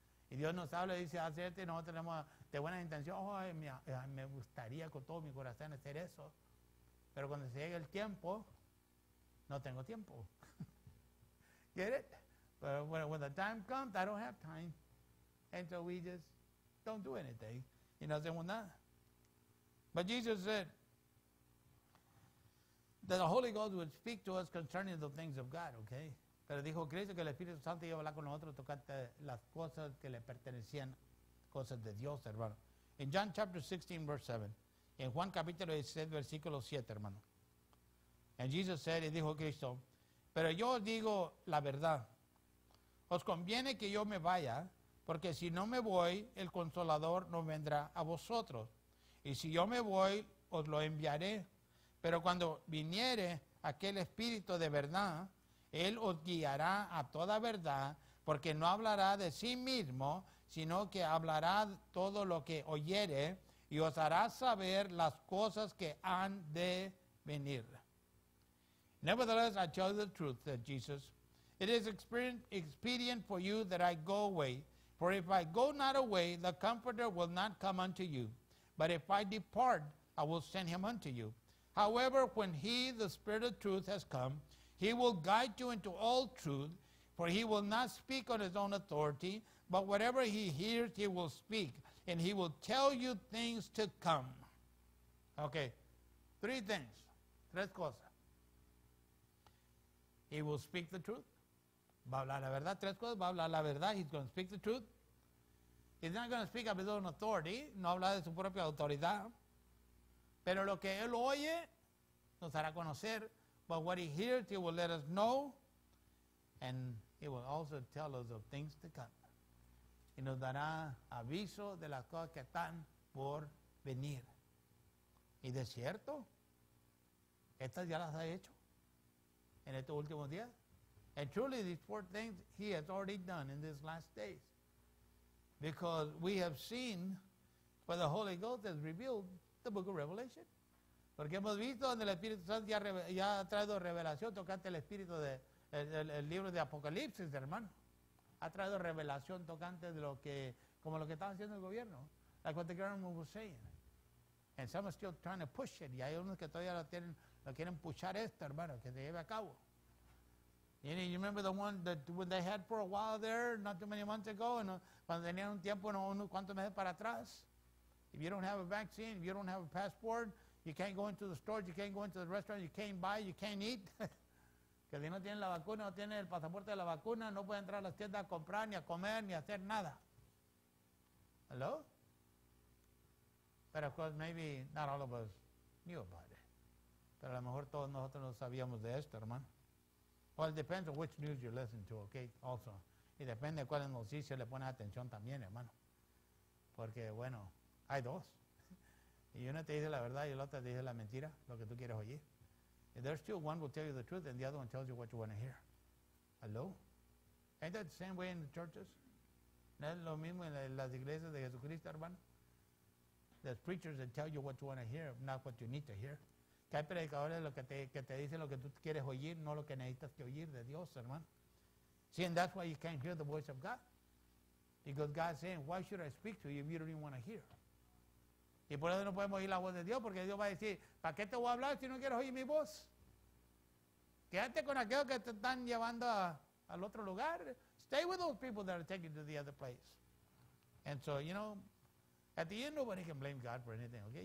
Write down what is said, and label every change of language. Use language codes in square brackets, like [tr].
[es] Y Dios nos habla y dice, hacerte, no tenemos de buena intención, oh, me gustaría con todo mi corazón hacer eso. Pero cuando se llega el tiempo, no tengo tiempo. [en] Get it? But when the time comes, I don't have time. And so we just don't do anything. [es] Y no hacemos nada. [en] But Jesus said that the Holy Ghost would speak to us concerning the things of God, okay? [es] Pero dijo Cristo que el Espíritu Santo iba a hablar con nosotros tocante las cosas que le pertenecían, cosas de Dios, hermano. [en] In John chapter 16, verse 7, [es] En Juan capítulo 16, versículo 7, hermano. [en] And Jesus said, [es] y dijo Cristo, pero yo os digo la verdad. Os conviene que yo me vaya, porque si no me voy, el Consolador no vendrá a vosotros. Y si yo me voy, os lo enviaré. Pero cuando viniere aquel Espíritu de verdad, Él os guiará a toda verdad, porque no hablará de sí mismo, sino que hablará todo lo que oyere y os hará saber las cosas que han de venir. [en] Nevertheless, I tell you the truth, said Jesus. It is expedient for you that I go away. For if I go not away, the Comforter will not come unto you. But if I depart, I will send him unto you. However, when he, the Spirit of truth, has come, he will guide you into all truth. For he will not speak on his own authority, but whatever he hears, he will speak. And he will tell you things to come. Okay, three things. [es] Tres cosas. [en] He will speak the truth. [es] Va a hablar la verdad. Tres cosas. Va a hablar la verdad. [en] He's going to speak the truth. He's not going to speak of his own authority. [es] No habla de su propia autoridad. Pero lo que él oye, nos hará conocer. But what he hears, he will let us know. And he will also tell us of things to come. Y nos dará aviso de las cosas que están por venir. Y de cierto, estas ya las ha hecho. En estos últimos días. [en] And truly these four things he has already done in these last days. Because we have seen where the Holy Ghost has revealed the book of Revelation. [es] Porque hemos visto donde el Espíritu Santo ya ha traído revelación tocante el Espíritu de el libro de Apocalipsis, hermano. Ha traído revelación tocante de lo que, como lo que estaba haciendo el gobierno. [en] Like what the government was saying. And some are still trying to push it. [es] Y hay unos que todavía lo tienen, lo quieren puchar esto, hermano, que se lleve a cabo. [en] You remember the one that when they had for a while there, not too many months ago, and [es] cuando tenían un tiempo, no unos cuantos meses para atrás. [en] If you don't have a vaccine, if you don't have a passport, you can't go into the stores, you can't go into the restaurant, you can't buy, you can't eat. [es] Que si no tienen la vacuna, no tienen el pasaporte de la vacuna, no pueden entrar a las tiendas a comprar, ni a comer, ni a hacer nada. [en] Hello? But of course, maybe not all of us knew about it. [es] Pero a lo mejor todos nosotros no sabíamos de esto, hermano. [en] Well, it depends on which news you listen to, okay, also. [es] Y depende de cuál noticia le pones atención también, hermano. Porque, bueno, hay dos. Y uno te dice la verdad y el otro te dice la mentira, lo que tú quieres oír. [en] If there's two, one will tell you the truth and the other one tells you what you want to hear. Hello? Ain't that the same way in the churches? [es] ¿No es lo mismo en las iglesias de Jesucristo, hermano? [en] There's preachers that tell you what you want to hear, not what you need to hear. [es] Que hay predicadores lo que te dicen lo que tú quieres oír, no lo que necesitas que oír de Dios, hermano. [en] See, and that's why you can't hear the voice of God. Because God's saying, why should I speak to you if you don't even want to hear? [es] Y por eso no podemos oír la voz de Dios, porque Dios va a decir, ¿para qué te voy a hablar si no quieres oír mi voz? Quédate con aquellos que te están llevando al otro lugar. [en] Stay with those people that are taking you to the other place. And so, you know, at the end, nobody can blame God for anything, okay?